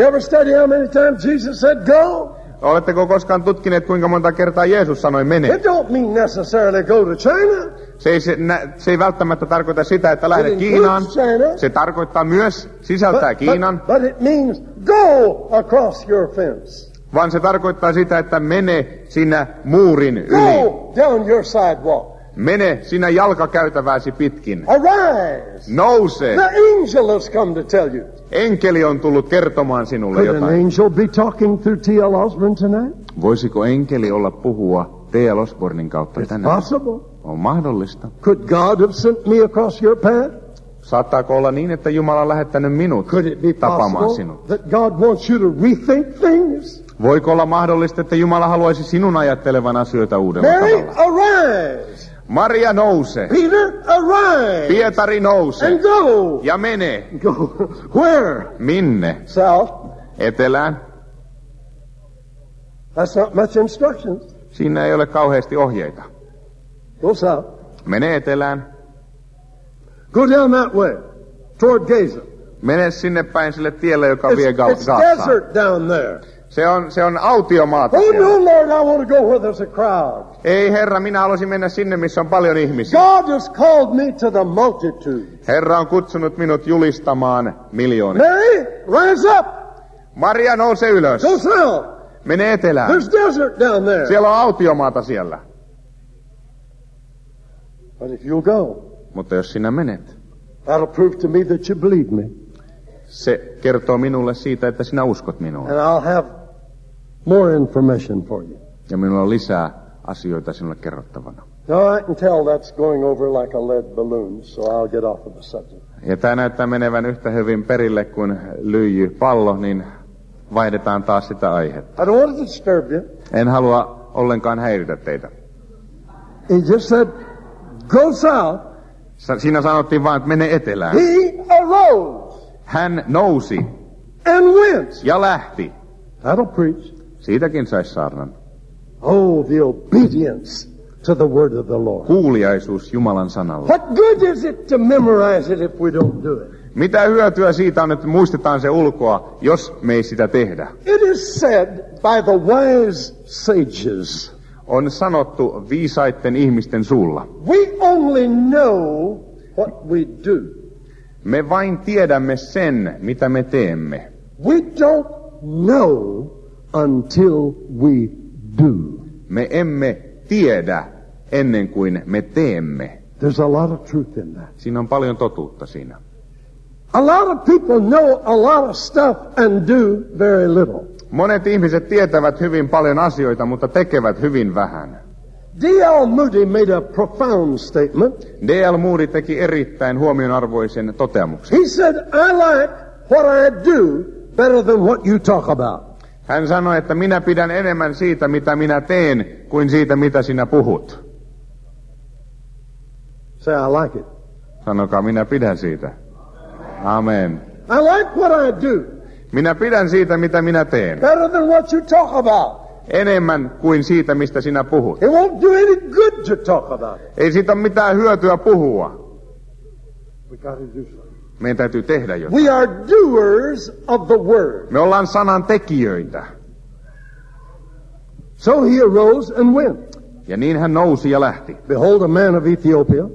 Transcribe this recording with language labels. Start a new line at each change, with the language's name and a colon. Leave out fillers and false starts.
English: You ever study how many times Jesus said go?
Finnish: Oletteko koskaan tutkineet, kuinka monta kertaa Jeesus sanoi mene?
English: It don't mean necessarily go to China.
Finnish: Se ei välttämättä tarkoita sitä, että lähde
English: it
Finnish: Kiinaan.
English: China.
Finnish: Se tarkoittaa myös sisältää Kiinan.
English: But it means go across your fence.
Finnish: Vaan se tarkoittaa sitä, että mene sinä muurin yli.
English: Go down your sidewalk.
Finnish: Mene sinä jalkakäytävääsi pitkin.
English: Arise.
Finnish: Nouse.
English: The angel has come to tell you.
Finnish: Enkeli on tullut kertomaan sinulle
English: Could
Finnish: jotain.
English: An angel be talking through T.L. Osborne tonight?
Finnish: Voisiko enkeli olla puhua T.L. Osbornin kautta
English: It's
Finnish: tänään?
English: Possible.
Finnish: On mahdollista.
English: Could God have sent me across your path?
Finnish: Saattaako olla niin, että Jumala on lähettänyt minut
English: Could it be
Finnish: tapaamaan
English: possible
Finnish: sinut?
English: That God wants you to rethink things?
Finnish: Voiko olla mahdollista, että Jumala haluaisi sinun ajattelevan asioita uudella
English: Mary,
Finnish: tavalla?
English: Arise.
Finnish: Maria nouse.
English: Peter, arise.
Finnish: Pietari nouse.
English: And go.
Finnish: Ja mene.
English: Go. Where?
Finnish: Minne?
English: South.
Finnish: etelään.
English: That's not much instructions.
Finnish: Siinä ei ole kauheasti ohjeita.
English: Go south.
Finnish: Mene etelään.
English: Go down that way, toward Gaza.
Finnish: Mene sinne päin sille tielle, joka vie Gazaan.
English: It's desert down there.
Finnish: Se on autiomaata.
English: Oh no, Lord, I want to go where there's a crowd.
Finnish: Ei Herra, minä haluaisin mennä sinne, missä on paljon ihmisiä.
English: God has called me to the multitude.
Finnish: Herra on kutsunut minut julistamaan miljoonia.
English: Mary, rise up.
Finnish: Maria, nouse ylös.
English: Go south.
Finnish: Mene etelään.
English: There's desert down there.
Finnish: Siellä on autiomaata siellä.
English: But if you'll go.
Finnish: Mutta jos sinä menet.
English: That'll prove to me that you believe me.
Finnish: Se kertoo minulle siitä, että sinä uskot minuun.
English: And I'll have more information for you.
Finnish: Ja minulla on lisää asioita sinulle kerrottavana.
English: Now I can tell that's going over like a lead balloon, so I'll get off of the subject.
Finnish: Ja tämä näyttää menevän yhtä hyvin perille kuin lyijypallo, niin vaihdetaan taas sitä aihetta.
English: I don't want to disturb you.
Finnish: En halua ollenkaan häiritä teitä.
English: He just said, go south.
Finnish: Siinä sanottiin vaan, että mene etelään.
English: He arose.
Finnish: Hän nousi.
English: And went.
Finnish: Ja lähti.
English: That'll preach.
Finnish: Siitäkin saisi saarnan.
English: Oh, the obedience to the word of the Lord.
Finnish: Kuuliaisuus Jumalan sanalle.
English: What good is it to memorize it if we don't do it?
Finnish: Mitä hyötyä siitä on, että muistetaan se ulkoa, jos me ei sitä tehdä?
English: It is said by the wise sages.
Finnish: On sanottu viisaitten ihmisten suulla.
English: We only know what we do.
Finnish: Me vain tiedämme sen, mitä me teemme.
English: We don't know until we do.
Finnish: Me emme tiedä ennen kuin me teemme.
English: There's a lot of truth in that.
Finnish: Siinä on paljon totuutta siinä.
English: A lot of people know a lot of stuff and do very little.
Finnish: Monet ihmiset tietävät hyvin paljon asioita, mutta tekevät hyvin vähän.
English: D.L. Moody made a profound statement.
Finnish: D.L. Moody teki erittäin huomionarvoisen toteamuksen.
English: He said, I like what I do better than what you talk about.
Finnish: Hän sanoi, että minä pidän enemmän siitä, mitä minä teen, kuin siitä, mitä sinä puhut.
English: Say, I like it.
Finnish: Sanokaa, minä pidän siitä.
English: Amen. I like what I do.
Finnish: Minä pidän siitä, mitä minä teen.
English: Better than what you talk about.
Finnish: Enemmän kuin siitä, mistä sinä puhut.
English: It won't do any good to talk about it.
Finnish: Ei siitä mitään hyötyä puhua.
English: We gotta do something.
Finnish: Meidän täytyy tehdä jotain.
English: We are doers of the word.
Finnish: Me ollaan sanan tekijöitä.
English: So he arose and went.
Finnish: Ja niin hän nousi ja lähti.
English: Behold a man of Ethiopia.